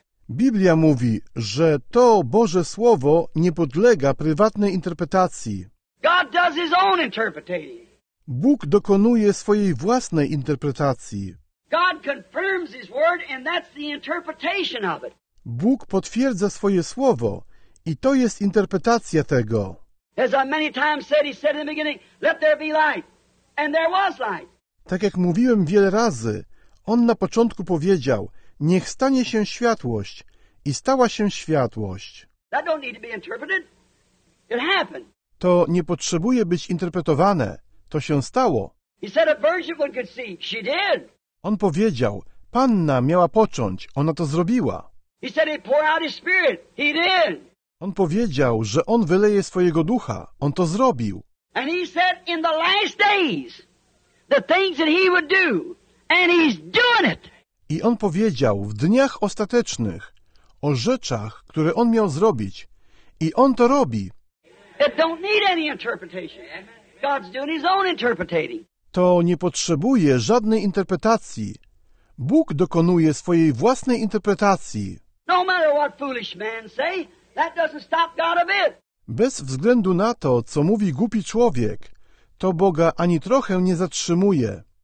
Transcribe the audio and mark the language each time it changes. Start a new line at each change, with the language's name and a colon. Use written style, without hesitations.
Polish: Biblia mówi, że to Boże Słowo nie podlega prywatnej interpretacji.
English: God does His own interpretation.
Polish: Bóg dokonuje swojej własnej interpretacji.
English: God confirms His word and that's the interpretation of it.
Polish: Bóg potwierdza swoje Słowo i to jest interpretacja tego.
English: As I many times said, He said in the beginning, "Let there be light." And there was light.
Polish: Tak jak mówiłem wiele razy, on na początku powiedział: "Niech stanie się światłość," i stała się światłość.
English: That don't need to be interpreted. It happened.
Polish: To nie potrzebuje być interpretowane. To się stało.
English: He said a virgin one could see. She did.
Polish: On powiedział: "Panna miała począć." Ona to zrobiła.
English: He said he'd pour out his spirit. He did.
Polish: On powiedział, że on wyleje swojego ducha. On to zrobił.
English: And he said in the last days the things that he would do, and he's doing it.
Polish: I on powiedział w dniach ostatecznych o rzeczach, które on miał zrobić, i on to robi.
English: It don't need any interpretation. God's doing his own interpreting.
Polish: To nie potrzebuje żadnej interpretacji. Bóg dokonuje swojej własnej interpretacji.
English: No matter what foolish man say, that doesn't stop God a bit.
Polish: Bez względu na to, co mówi głupi człowiek, to Boga ani trochę nie zatrzymuje.